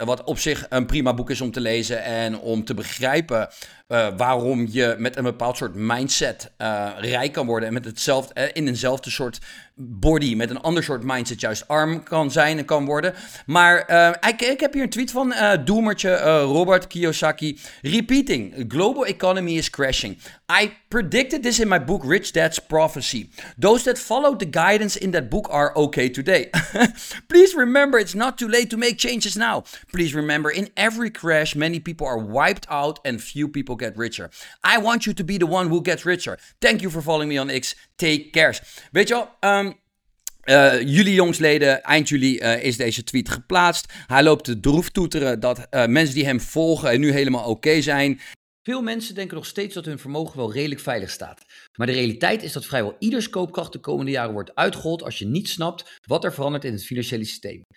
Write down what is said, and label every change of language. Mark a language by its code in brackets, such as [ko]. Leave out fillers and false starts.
[nl] Wat op zich een prima boek is om te lezen en om te begrijpen waarom je met een bepaald soort mindset rijk kan worden. En met hetzelfde, in eenzelfde soort body, met een ander soort mindset juist arm kan zijn en kan worden. Maar ik heb hier een tweet van doemertje Robert Kiyosaki. [en] Repeating, global economy is crashing. I predicted this in my book Rich Dad's Prophecy. Those that followed the guidance in that book are okay today. Please remember it's not too late to make changes now. Please remember in every crash many people are wiped out and few people get richer. I want you to be the one who gets richer. Thank you for following me on X. Take care. [nl] Weet je wel, jullie jongsleden, eind juli is deze tweet geplaatst. Hij loopt te droef toeteren dat mensen die hem volgen en nu helemaal okay zijn. Veel mensen denken nog steeds dat hun vermogen wel redelijk veilig staat. Maar de realiteit is dat vrijwel ieders koopkracht de komende jaren wordt uitgehold als je niet snapt wat er verandert in het financiële systeem.